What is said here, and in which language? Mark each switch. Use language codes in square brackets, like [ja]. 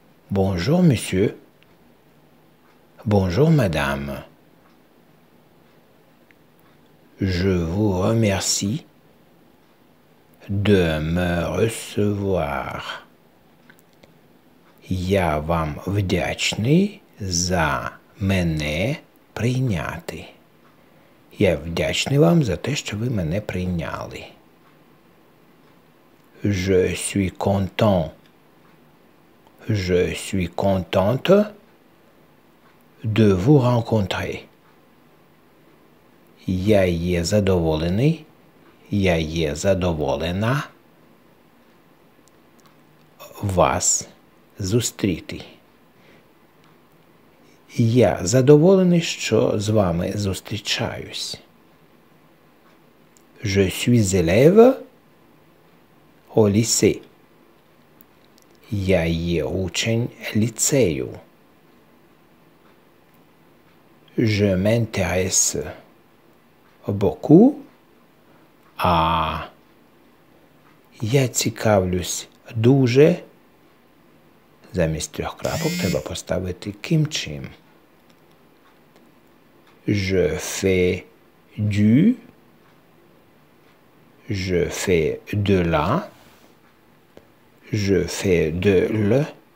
[fr] Bonjour, monsieur. Bonjour, madame. Je vous remercie de me recevoir. [uk] Я вам вдячний за мене прийняти. Я вдячний вам за те, що ви мене прийняли. [fr] Je suis content. Je suis contente de vous rencontrer. [uk] Я є задоволений. Я є задоволена вас зустріти. Я задоволений, що з вами зустрічаюсь. [fr] Je suis élève au lycée. [uk] Я є учень ліцею. [fr] Je m'intéresse beaucoup à... [uk] Я цікавлюсь дуже. Замість трьох крапок треба поставити ким чим. [fr] Je fais du... Je fais de la... Je fais de le...